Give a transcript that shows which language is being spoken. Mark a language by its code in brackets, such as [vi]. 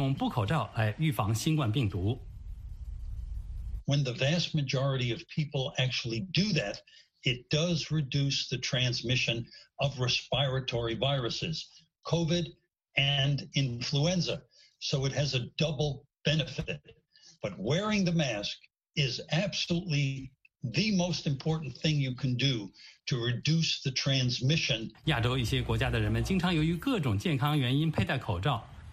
[zh] 4月初，美国疾控中心建议美国人使用布口罩来预防新冠病毒。 [en] When the vast majority of people actually do that, it does reduce the transmission of respiratory viruses, COVID and influenza. So it has a double benefit. But wearing the mask is absolutely the most important thing you can do to reduce the transmission. [zh] 亚洲一些国家的人们经常由于各种健康原因佩戴口罩。